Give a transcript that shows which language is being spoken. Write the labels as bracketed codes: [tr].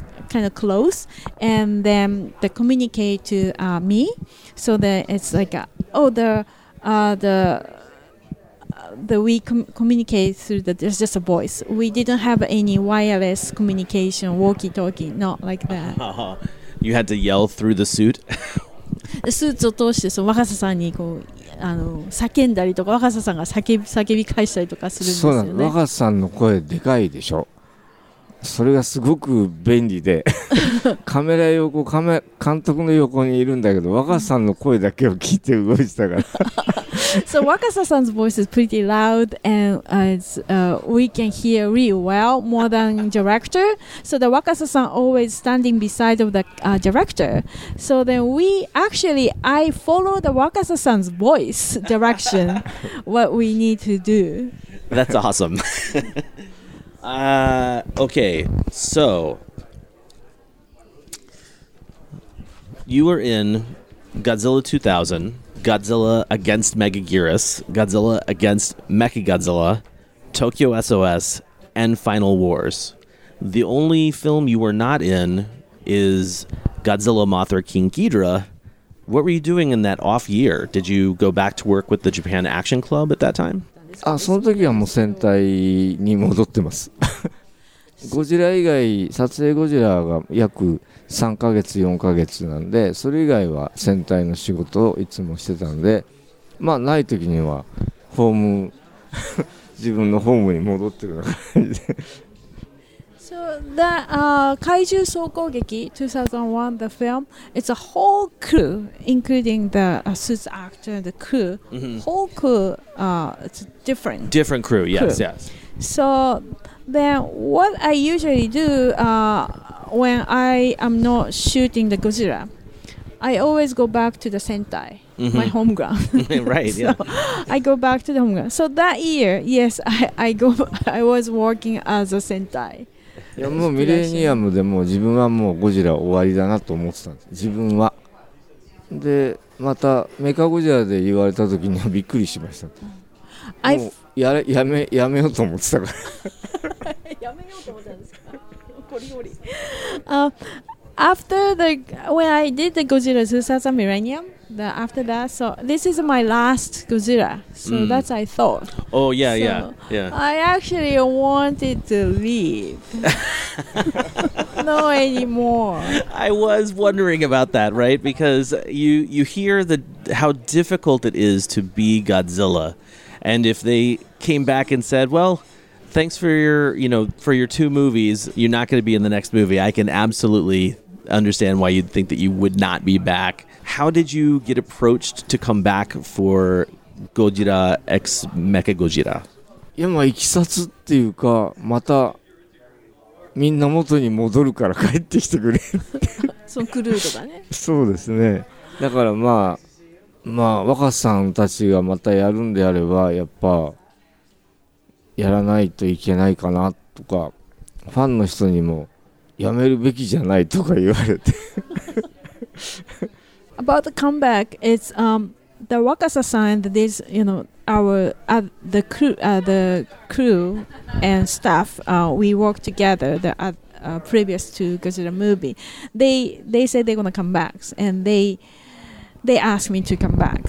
[en] kind of close, and then they communicate to me, so that it's like, we communicate through the, there's just a voice. We didn't have any wireless communication, walkie-talkie, not like that. You had to yell through the suit? [ja] スーツを通してその若狭さんにこうあの叫んだりとか若狭さんが叫び返したりとかするんですよね。そうなの。若狭さんの声でかいでしょ。それがすごく便利でカメラ横カメ監督の横にいるんだけど若狭さんの声だけを聞いて動いてたから。 [en] So 若狭さんの voice is pretty loud and it's we can hear really well more than director. So the 若狭さん always standing beside of the director. So then we actually I follow the 若狭さん's voice direction what we need to do. That's awesome. okay, so you were in Godzilla 2000, Godzilla against Megaguirus, Godzilla against Mechagodzilla, Tokyo SOS, and Final Wars. The only film you were not in is Godzilla Mothra King Ghidorah. What were you doing in that off year? Did you go back to work with the Japan Action Club at that time? [ja] あ、その時はもう戦隊に戻ってます。ゴジラ以外、撮影ゴジラが約3ヶ月、4ヶ月なんで、それ以外は戦隊の仕事をいつもしてたんで、まあない時にはホーム、自分のホームに戻ってくる感じで。 [en] So the Kaiju 総攻撃 2001 the film, it's a whole crew including the suits actor the crew、mm-hmm. whole crew it's different crew, crew. Yes, yes. So then what I usually do when I am not shooting the Godzilla, I always go back to the Sentai、mm-hmm. my home ground. Right. So yeah, I go back to the home ground. So that year, yes, I was working as a Sentai. [ja] いやもうミレニアムでも自分はもうゴジラ終わりだなと思ってたんです自分はでまたメカゴジラで言われた時にはびっくりしましたもう やめようと思ってたからやめようと思ったんですかゴリゴリ [en] After the when I did the Godzilla 2000 Millennium, the, after that, so this is my last Godzilla. So、mm. that's I thought. Oh yeah, so, yeah. I actually wanted to leave. No anymore. I was wondering about that, right? Because you hear how difficult it is to be Godzilla, and if they came back and said, well. Thanks for your two movies. You're not going to be in the next movie. I can absolutely understand why you'd think that you would not be back. How did you get approached to come back for Godzilla X Mechagodzilla? [ja] いやまあいきさつっていうかまたみんな元に戻るから帰ってきてくれ。そのクルーとかね。そうですね。だからまあ若さんたちがまたやるんであればやっぱ。やらないといけないかなとかファンの人にもやめるべきじゃないとか言われて [en] About the comeback, it's the 若狭さん and this, you know, our, the crew, the crew and staff, we worked together the, previous to Godzilla movie. They said they're gonna come back and they asked me to come back.